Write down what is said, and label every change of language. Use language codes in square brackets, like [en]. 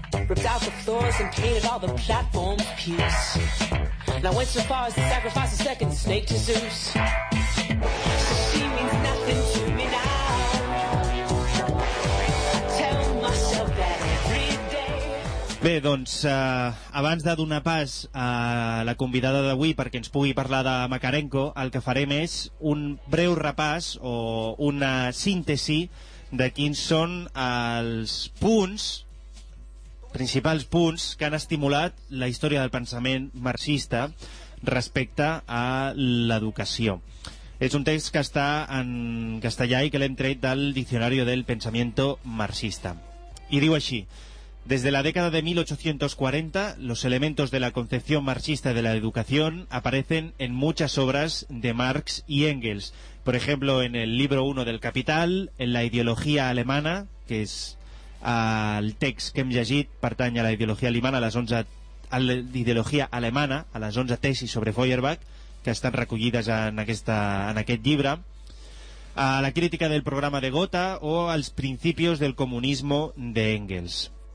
[en] Ripped out the floors and painted all the platforms puce. And I went so far as to sacrifice a second snake to Zeus. So she means nothing to me now. Tell myself that every day. [ca] Bé, doncs, abans de donar pas a la convidada d'avui perquè ens pugui parlar de Makarenko, el que farem és un breu repàs o una síntesi de quins són els punts principals punts que han estimulat la història del pensament marxista respecte a l'educació. És un text que està en castellà i que l'hem tret del Diccionario del Pensamiento Marxista. I diu així: [es] desde la década de 1840, los elementos de la concepción marxista de la educación aparecen en muchas obras de Marx y Engels. Por ejemplo, en el libro 1 del Capital, en la ideología alemana, [ca] que es el text que hem llegit, pertany a la ideologia alemana, a les 11, a l'ideologia alemana, a les 11 tesis sobre Feuerbach, que estan recollides en aquest llibre, a la crítica del programa de Gotha o als principis del comunisme de Engels.